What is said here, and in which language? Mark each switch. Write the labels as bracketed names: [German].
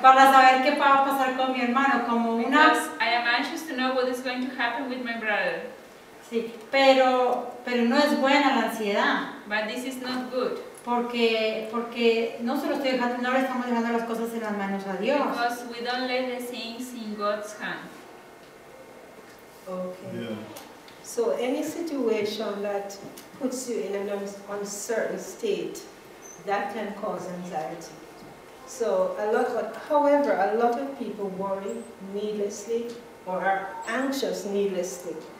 [Spanish] Para saber qué va a pasar con mi hermano, como una. [English] I am anxious to know what is going to happen with my brother. [Spanish] Sí, pero no es buena la ansiedad. [English] But this is not good. [Spanish] Porque no solo estoy dejando, no le estamos dejando las cosas en las manos a Dios. [English] Because we don't lay the things in God's hand. Okay. Yeah. So any situation that puts you in an uncertain state, that can cause anxiety. So however, a lot of people worry needlessly or are anxious needlessly.